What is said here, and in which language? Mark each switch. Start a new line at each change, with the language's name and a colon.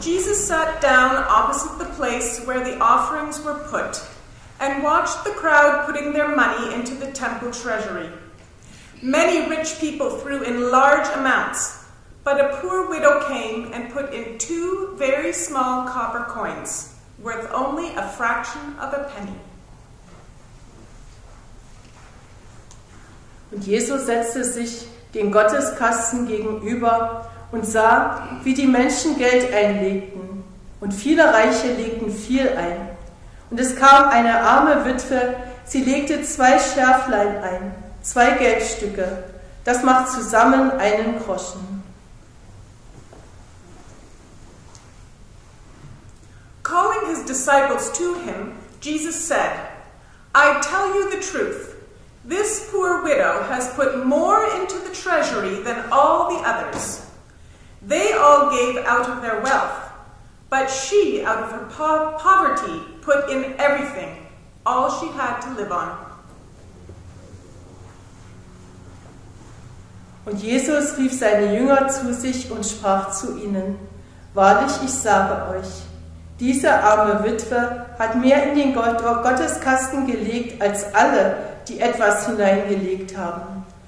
English: Jesus sat down opposite the place where the offerings were put and watched the crowd putting their money into the temple treasury. Many rich people threw in large amounts, but a poor widow came and put in two very small copper coins, worth only a fraction of a penny.
German: Und Jesus setzte sich dem Gotteskasten gegenüber und sah, wie die Menschen Geld einlegten. Und viele Reiche legten viel ein. Und es kam eine arme Witwe, sie legte zwei Schärflein ein, zwei Geldstücke. Das macht zusammen einen Groschen.
English: Calling his disciples to him, Jesus said, "I tell you the truth, this poor widow has put more into the treasury than all the others. They all gave out of their wealth, but she, out of her poverty, put in everything, all she had to live on."
German: Und Jesus rief seine Jünger zu sich und sprach zu ihnen: Wahrlich, ich sage euch, diese arme Witwe hat mehr in den Gotteskasten gelegt als alle, die etwas hineingelegt haben.